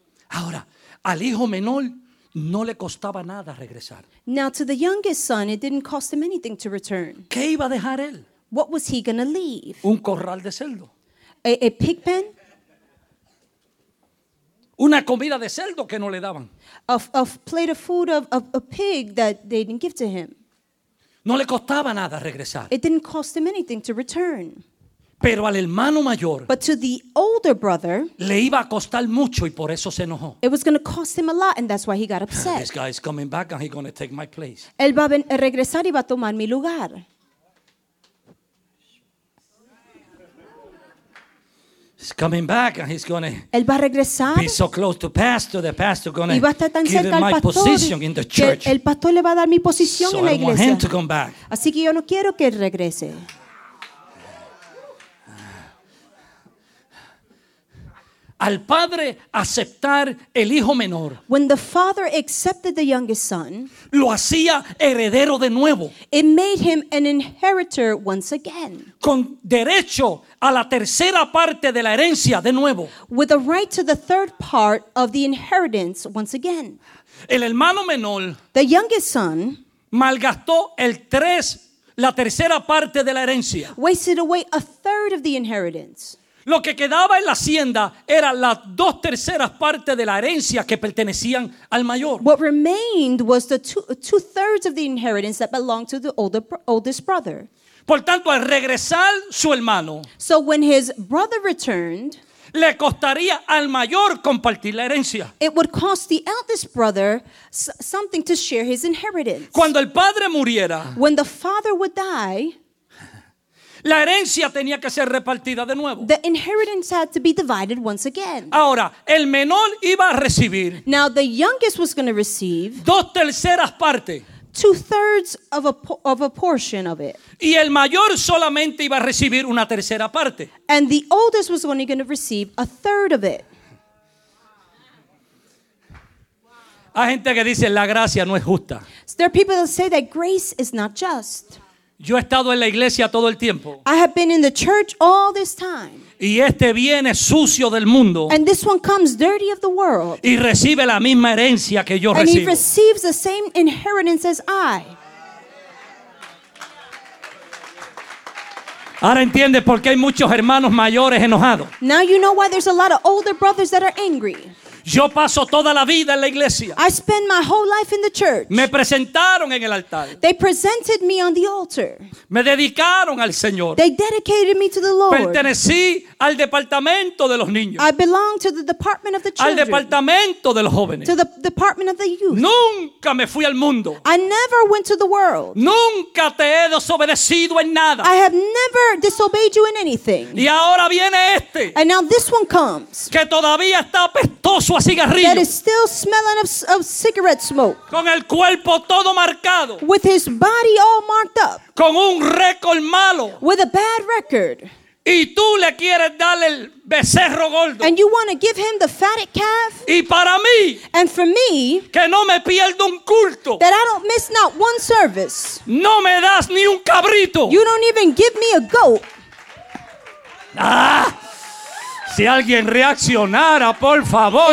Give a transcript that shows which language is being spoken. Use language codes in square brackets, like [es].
[es] Ahora, al hijo menor no le costaba nada regresar. [en] Now to the youngest son, it didn't cost him anything to return. [es] ¿Qué iba a dejar él? [en] What was he going to leave? [es] Un corral de cerdo. [en] A pig pen? [es] Una comida de cerdo que no le daban. [en] A plate of food of a pig that they didn't give to him. [es] No le costaba nada regresar. [en] It didn't cost him anything to return. [es] Pero al hermano mayor, [en] but to the older brother, [es] le iba a costar mucho y por eso se enojó. [en] It was going to cost him a lot, and that's why he got upset. This guy is coming back, and he's going to take my place. [es] Él va a regresar y va a tomar mi lugar. [en] He's coming back, and he's going to. [es] Él va a regresar. [en] Be so close to pastor, the pastor going to give him my position in the church. [es] El pastor le va a dar mi posición en la iglesia. [en] So I don't want him to come back. [es] Así que yo no quiero que él regrese. Al padre aceptar el hijo menor. [en] When the father accepted the youngest son, [es] lo hacía heredero de nuevo. [en] It made him an inheritor once again. [es] Con derecho a la tercera parte de la herencia de nuevo. [en] With a right to the third part of the inheritance once again. [es] El hermano menor, [en] the youngest son, [es] malgastó la tercera parte de la herencia. [en] Wasted away a third of the inheritance. [es] Lo que quedaba en la hacienda era las dos terceras partes de la herencia que pertenecían al mayor. [en] What remained was the two-thirds of the inheritance that belonged to the oldest brother. [es] Por tanto, al regresar su hermano, [en] so when his brother returned, [es] le costaría al mayor compartir la herencia. [en] It would cost the eldest brother something to share his inheritance. [es] Cuando el padre muriera, [en] when the father would die, [es] la herencia tenía que ser repartida de nuevo. [en] The inheritance had to be divided once again. [es] Ahora, el menor iba a recibir. [en] Now the youngest was going to receive. [es] Dos terceras partes. [en] Two-thirds of a portion of it. [es] Y el mayor solamente iba a recibir una tercera parte. [en] And the oldest was only going to receive a third of it. [es] Hay gente que dice la gracia no es justa. [en] There are people that say that grace is not just. [es] Yo he estado en la iglesia todo el tiempo. [en] I have been in the church all this time. [es] Y este viene sucio del mundo. [en] And this one comes dirty of the world. [es] Y recibe la misma herencia que yo [en] and [es] recibo. [en] And he receives the same inheritance as I. [es] Ahora entiendes por qué hay muchos hermanos mayores enojados. [en] Now you know why there's a lot of older brothers that are angry. [es] Yo paso toda la vida en la iglesia. [en] I spend my whole life in the church. [es] Me presentaron en el altar. [en] They presented me on the altar. [es] Me dedicaron al Señor. [en] They dedicated me to the Lord. [es] Pertenecí al departamento de los niños. [en] I belong to the department of the children. [es] Al departamento de los jóvenes. [en] To the department of the youth. [es] Nunca me fui al mundo. [en] I never went to the world. [es] Nunca te he desobedecido en nada. [en] I have never disobeyed you in anything. [es] Y ahora viene este. [en] And now this one comes. [es] Que todavía está apestoso a cigarrillo. [en] That is still smelling of cigarette smoke. [es] Con el cuerpo todo marcado. [en] With his body all marked up. [es] Con un récord malo. [en] With a bad record. [es] Y tú le quieres dar el becerro gordo. [en] And you want to give him the fatted calf. [es] Y para mí. [en] And for me. [es] Que no me pierdo un culto. [en] That I don't miss not one service. [es] No me das ni un cabrito. [en] You don't even give me a goat. [es] Ah, si alguien reaccionara, por favor,